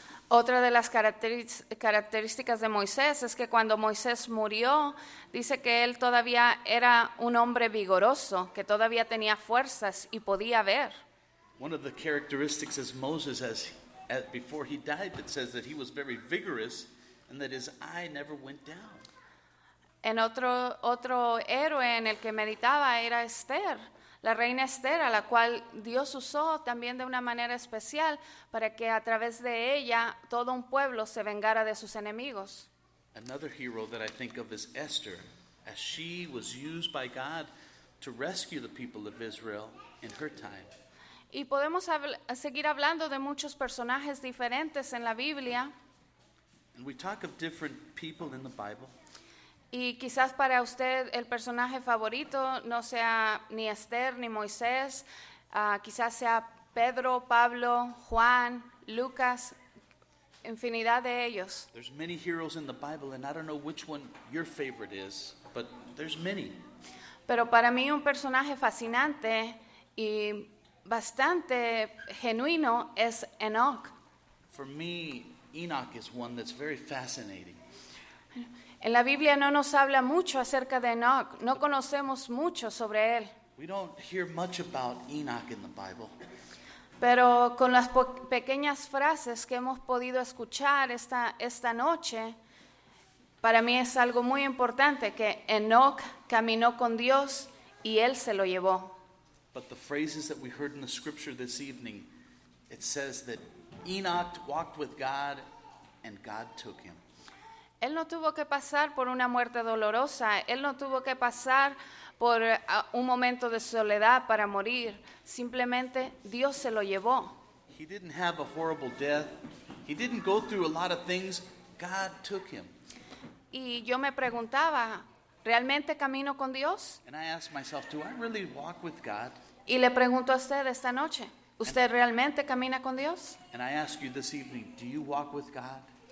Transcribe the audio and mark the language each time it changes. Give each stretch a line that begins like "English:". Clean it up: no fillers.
Spanish: Otra de las características de Moisés es que cuando Moisés murió, dice que él todavía era un hombre vigoroso, que todavía tenía fuerzas y podía ver.
English: One of the characteristics is Moses as before he died, that says that he was very vigorous and that his eye never went down.
Spanish: En otro héroe en el que meditaba era Esther. La reina Esther, a la cual Dios usó también de una manera especial para que a través de ella todo un pueblo se vengara de sus enemigos.
English: Another hero that I think of is Esther, as she was used by God to rescue the people of Israel in her time.
Spanish: Y podemos seguir hablando de muchos personajes diferentes en la Biblia.
English: And we talk of different people in the Bible.
Spanish: Y quizás para usted el personaje favorito no sea ni Esther ni Moisés, quizás sea Pedro, Pablo, Juan, Lucas, infinidad de ellos.
English: There's many heroes in the Bible, and I don't know which one your favorite is, but there's many.
Spanish: Pero para mí un personaje fascinante y bastante genuino es Enoch.
English: For me, Enoch is one that's very fascinating.
Spanish: En la Biblia no nos habla mucho acerca de Enoch. No conocemos mucho sobre él.
English: We don't hear much about Enoch in the Bible.
Spanish: Pero con las pequeñas frases que hemos podido escuchar esta noche, para mí es algo muy importante que Enoch caminó con Dios y él se lo llevó.
English: But the phrases that we heard in the scripture this evening, it says that Enoch walked with God and God took him.
Spanish: Él no tuvo que pasar por una muerte dolorosa. Él no tuvo que pasar por un momento de soledad para morir. Simplemente Dios se lo llevó.
English: He didn't have a horrible death. He didn't go through a lot of things. God took him.
Spanish: Y yo me preguntaba, ¿realmente camino con Dios?
English: And I asked myself, do I really walk with God?
Spanish: Y le pregunto a usted esta noche, ¿usted realmente camina con Dios?
English: And I ask you this evening, do you walk with God?